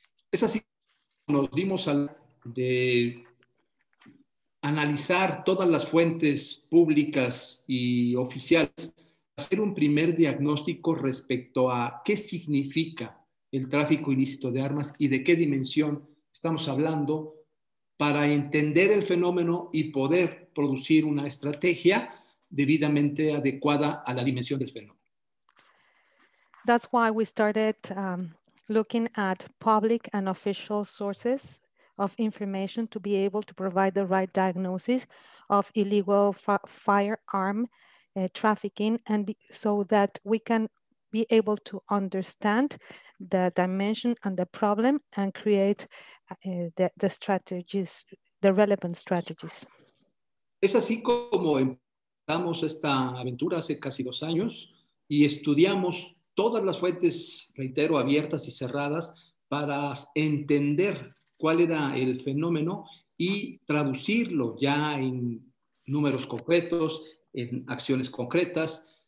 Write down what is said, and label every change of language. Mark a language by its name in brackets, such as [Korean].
[Spanish] Es así que nos dimos al de analizar todas las fuentes públicas y oficiales, hacer un primer diagnóstico respecto a qué significa el tráfico ilícito de armas y de qué dimensión estamos hablando para entender el fenómeno y poder producir una estrategia debidamente adecuada a la dimensión del fenómeno. [English] That's why we started looking at public and official sources of information to be able to provide the right diagnosis of illegal firearm trafficking, and so that we can be able to understand the dimension and the problem and create the strategies, the relevant strategies. [Spanish] Es así como empezamos esta aventura hace casi dos años y estudiamos todas las fuentes, reitero, abiertas y cerradas para entender cuál era el fenómeno y traducirlo ya en números concretos, en acciones concretas.